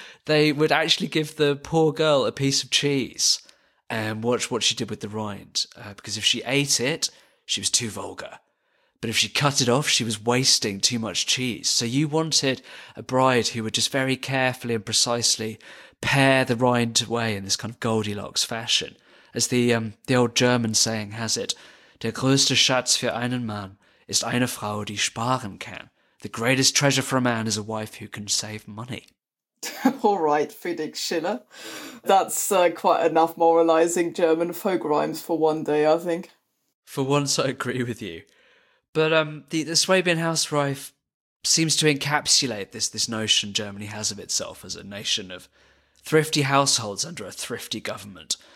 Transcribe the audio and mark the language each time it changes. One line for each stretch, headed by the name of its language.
English: They would actually give the poor girl a piece of cheese and watch what she did with the rind. Because if she ate it, she was too vulgar. But if she cut it off, she was wasting too much cheese. So you wanted a bride who would just very carefully and precisely pare the rind away in this kind of Goldilocks fashion. As the old German saying has it,
German: der größte Schatz für einen Mann ist eine Frau, die sparen kann.
English: The greatest treasure for a man is a wife who can save money. All right, Friedrich Schiller. That's quite enough moralising German folk rhymes for one day, I think. For once, I agree with you. But the Swabian housewife seems to encapsulate this notion Germany has of itself as a nation of thrifty households under a thrifty government.